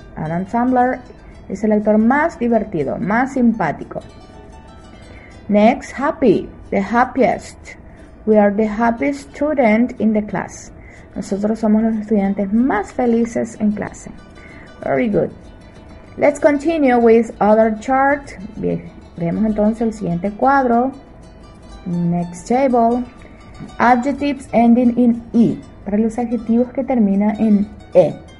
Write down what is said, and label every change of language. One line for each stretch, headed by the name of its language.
Spanish: Adam Sandler es el actor más divertido, más simpático.
English: Next, happy, the happiest. We are the happiest student in the class.
Spanish: Nosotros somos los estudiantes más felices en clase.
English: Very good. Let's continue with other chart.
Spanish: Bien, vemos entonces el siguiente cuadro.
English: Next table. Adjectives ending in E.
Spanish: Para los adjetivos que terminan en E.